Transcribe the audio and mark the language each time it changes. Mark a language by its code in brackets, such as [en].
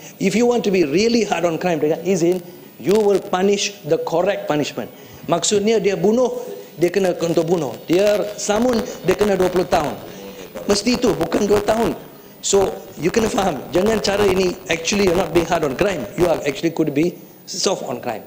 [en] If you want to be really hard on crime, [ms] dengan izin, [en] you will punish the correct punishment. [ms] Maksudnya dia bunuh, dia kena untuk bunuh. Dia samun, dia kena 20 tahun. Mesti itu, bukan 2 tahun. [en] So you can faham, [ms] jangan cara ini, [en] actually you're not being hard on crime, you are actually could be soft on crime.